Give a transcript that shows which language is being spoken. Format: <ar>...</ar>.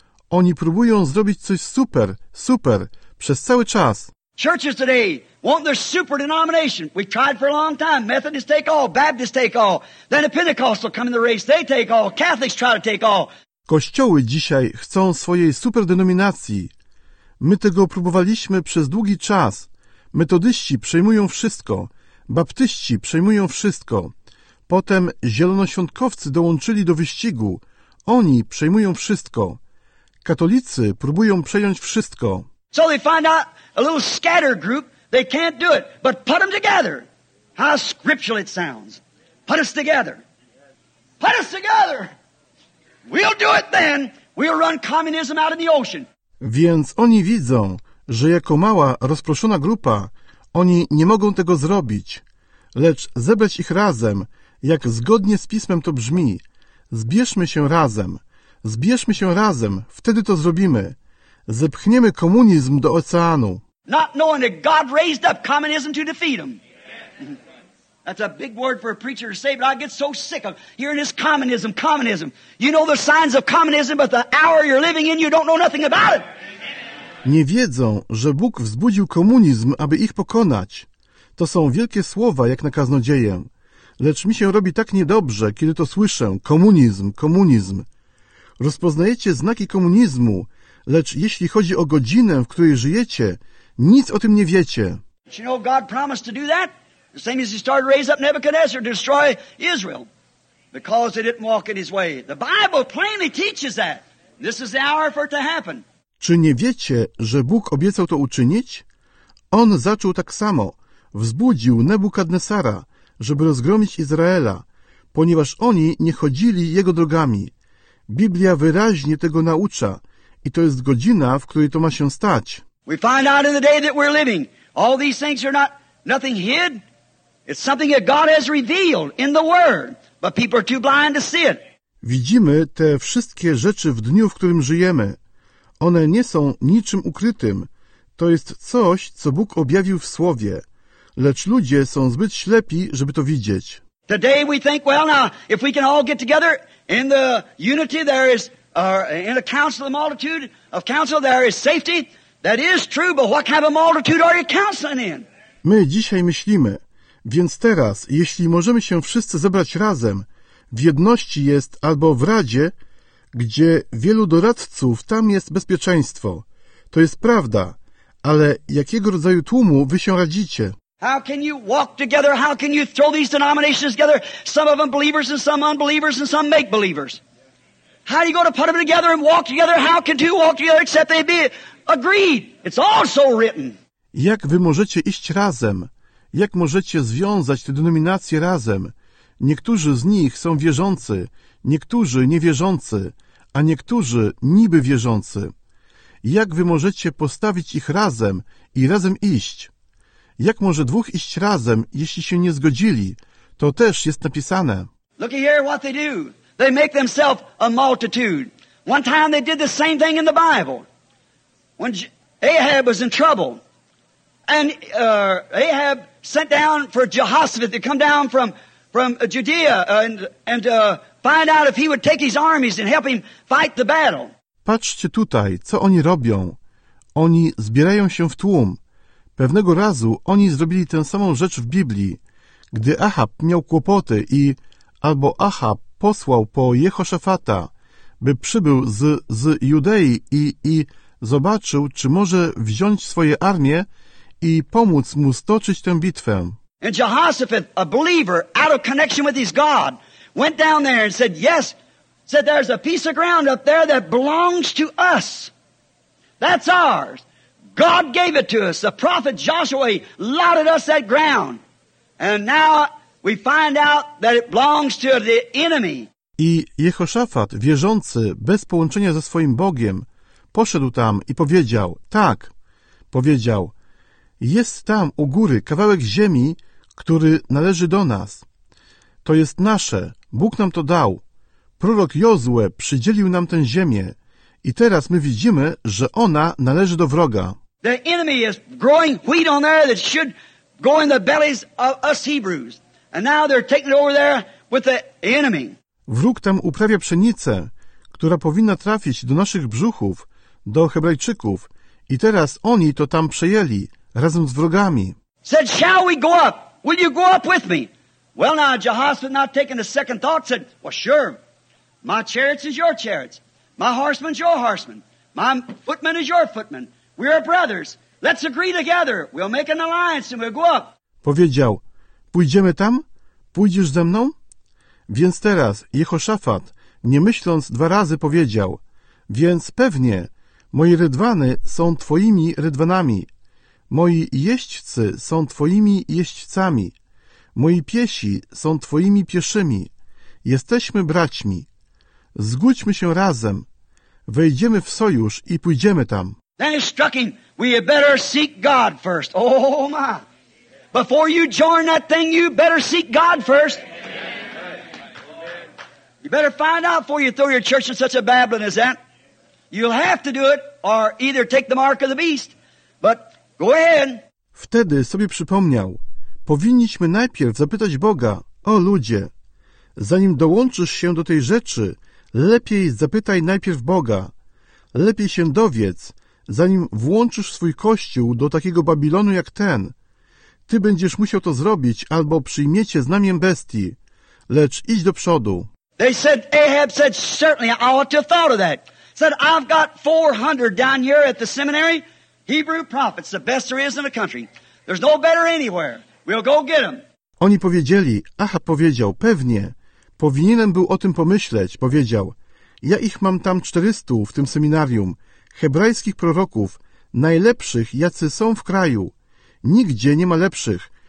<pl>Oni próbują zrobić coś super, super, przez cały czas.</pl> <en>Churches today want their super denomination. We've tried for a long time. Methodists take all, Baptists take all. Then the Pentecostals come in the race. They take all. Catholics try to take all.</en> <pl>Kościoły dzisiaj chcą swojej super denominacji. My tego próbowaliśmy przez długi czas. Metodyści przejmują wszystko. Baptyści przejmują wszystko. Potem zielonoświątkowcy dołączyli do wyścigu. Oni przejmują wszystko. Katolicy próbują przejąć wszystko.</pl> <en>So they find out a little scattered group, they can't do it. But put them together. How scriptural it sounds. Put us together. Put us together. We'll do it then. We'll run communism out of the ocean.</en> <pl>Więc oni widzą, że jako mała, rozproszona grupa, oni nie mogą tego zrobić. Lecz zebrać ich razem, jak zgodnie z Pismem to brzmi. Zbierzmy się razem. Zbierzmy się razem. Wtedy to zrobimy. Zepchniemy komunizm do oceanu.</pl> <en>Not knowing that God raised up communism to defeat him. That's a big word for a preacher to say, but I get so sick of hearing this communism, communism. You know the signs of communism, but the hour you're living in, you don't know nothing about it.</en> <pl>Nie wiedzą, że Bóg wzbudził komunizm, aby ich pokonać. To są wielkie słowa, jak na kaznodzieję. Lecz mi się robi tak niedobrze, kiedy to słyszę. Komunizm, komunizm. Rozpoznajecie znaki komunizmu, lecz jeśli chodzi o godzinę, w której żyjecie, nic o tym nie wiecie.</pl> <en>You know God promised to do that? The same as he started to raise up Nebuchadnezzar to destroy Israel. Because they didn't walk in his way. The Bible plainly teaches that. This is the hour for it to happen.</en> <pl>Czy nie wiecie, że Bóg obiecał to uczynić? On zaczął tak samo. Wzbudził Nebukadnesara, żeby rozgromić Izraela, ponieważ oni nie chodzili jego drogami. Biblia wyraźnie tego naucza. I to jest godzina, w której to ma się stać.</pl> <en>We find out in the day that we're living, All these things are not nothing hid. It's something that God has revealed in the Word, but people are too blind to see it.</en> <pl>Widzimy te wszystkie rzeczy w dniu, w którym żyjemy. One nie są niczym ukrytym. To jest coś, co Bóg objawił w Słowie. Lecz ludzie są zbyt ślepi, żeby to widzieć.</pl> <en>Today we think, well now, if we can all get together in the unity there is, in a council of the multitude, of council there is safety. That is true, but what kind of multitude are you counseling in?</en> <pl>My dzisiaj myślimy, więc teraz, jeśli możemy się wszyscy zebrać razem, w jedności jest albo w Radzie, gdzie wielu doradców, tam jest bezpieczeństwo. To jest prawda, ale jakiego rodzaju tłumu wy się radzicie?</pl> <en>How can you walk together? How can you throw these denominations together? Some of them believers and some unbelievers and some make believers. How are you going to put them together and walk together? How can two walk together except they be agreed? It's also written.</en> <pl>Jak wy możecie iść razem? Jak możecie związać te denominacje razem? Niektórzy z nich są wierzący, niektórzy niewierzący, a niektórzy niby wierzący. Jak wy możecie postawić ich razem i razem iść? Jak może dwóch iść razem, jeśli się nie zgodzili? To też jest napisane.</pl> <en>Look here what they do. They make themselves a multitude. One time they did the same thing in the Bible. When Ahab was in trouble. And Ahab sent down for Jehoshaphat to come down from Judea and find out if he would take his armies and help him fight the battle.</en> <pl>Patrzcie tutaj, co oni robią. Oni zbierają się w tłum. Pewnego razu oni zrobili tę samą rzecz w Biblii, gdy Achab miał kłopoty i albo Achab posłał po Jehoszafata, by przybył z Judei i zobaczył, czy może wziąć swoje armie i pomóc mu stoczyć tę bitwę.</pl> <en>And Jehoshaphat, a believer, out of connection with his God, went down there and said, yes, said there's a piece of ground up there that belongs to us. That's ours. God gave it to us. The prophet Joshua allotted us that ground. And now we find out that it belongs to the enemy.</en> <pl>I Jehoshaphat, wierzący, bez połączenia ze swoim Bogiem, poszedł tam i powiedział, tak, powiedział, jest tam u góry kawałek ziemi, który należy do nas. To jest nasze. Bóg nam to dał. Prorok Jozue przydzielił nam tę ziemię. I teraz my widzimy, że ona należy do wroga.</pl> <en>The enemy is growing wheat on there that should go in the bellies of us Hebrews. And now they're taking it over there with the enemy.</en> <pl>Wróg tam uprawia pszenicę, która powinna trafić do naszych brzuchów, do Hebrajczyków. I teraz oni to tam przejęli. Razem z wrogami.</pl> <en>Said, shall we go up? Will you go up with me? Well now, Jehoshaphat, not taking a second thought, said, well, sure. My chariots is your chariots. My horseman's your horseman. My footman is your footman. We are brothers. Let's agree together. We'll make an alliance and we'll go up.</en> <pl>Powiedział, pójdziemy tam? Pójdziesz ze mną? Więc teraz Jehoshaphat, nie myśląc dwa razy, powiedział, więc pewnie moje rydwany są twoimi rydwanami. Moi jeźdźcy są twoimi jeźdźcami. Moi piesi są twoimi pieszymi. Jesteśmy braćmi. Zgódźmy się razem. Wejdziemy w sojusz i pójdziemy tam.</pl> <en>Then it struck him, we had better seek God first. Oh my. Before you join that thing, you better seek God first. You better find out before you throw your church in such a babbling as that. You'll have to do it, or either take the mark of the beast, but go ahead.</en> <pl>Wtedy sobie przypomniał, powinniśmy najpierw zapytać Boga, o ludzie, zanim dołączysz się do tej rzeczy, lepiej zapytaj najpierw Boga, lepiej się dowiedz, zanim włączysz swój kościół do takiego Babilonu jak ten. Ty będziesz musiał to zrobić, albo przyjmiecie znamię bestii, lecz idź do przodu.</pl> <en>They said, Ahab said, certainly, I ought to have thought of that. Said, I've got 400 down here at the seminary. Hebrew prophets, the best there is in the country. There's no better anywhere. We'll go get them.</en> <pl>Oni powiedzieli, Achab powiedział, pewnie. Powinienem był o tym pomyśleć, powiedział. Ja ich mam tam 400 w tym seminarium. Hebrajskich proroków, najlepszych, jacy są w kraju. Nigdzie nie ma lepszych.</pl>